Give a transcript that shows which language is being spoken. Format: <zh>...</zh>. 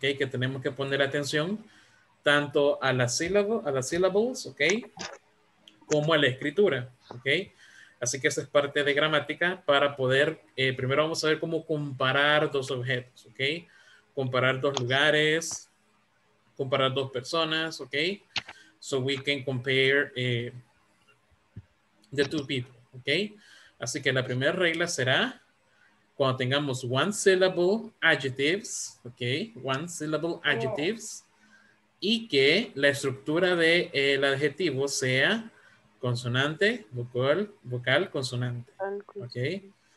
<es>Que tenemos que poner atención tanto a las syllables, ¿ok? Como a la escritura, ¿ok? Así que esta es parte de gramática para poder, primero vamos a ver cómo comparar dos objetos, ¿ok? Comparar dos lugares, comparar dos personas, ¿ok?</es> <en>so we can compare the two people, okay?</en> <es>Así que la primera regla será cuando tengamos</es> <en>one syllable adjectives, okay? One syllable adjectives,</en> <es>y que la estructura de el adjetivo sea consonante, vocal, vocal, consonante, okay?</es>